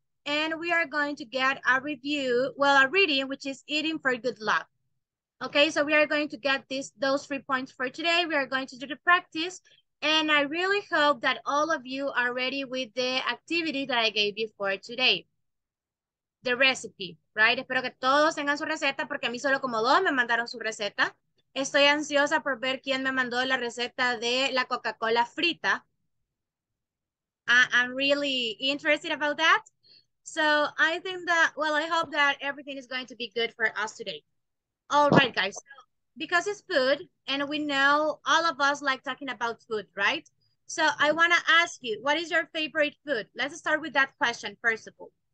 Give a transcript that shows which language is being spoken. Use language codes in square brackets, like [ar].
[en] And we are going to get a review, well, a reading, which is eating for good luck. Okay, so we are going to get this, those 3 points for today. We are going to do the practice. And I really hope that all of you are ready with the activity that I gave you for today. The recipe, right? [es] Espero que todos tengan su receta porque a mí solo como dos me mandaron su receta. Estoy ansiosa por ver quién me mandó la receta de la Coca-Cola frita. [en] I'm really interested about that. So I think that, well, I hope that everything is going to be good for us today. All right, guys. So, because it's food, and we know all of us like talking about food, right? So I want to ask you, what is your favorite food? Let's start with that question, first of all.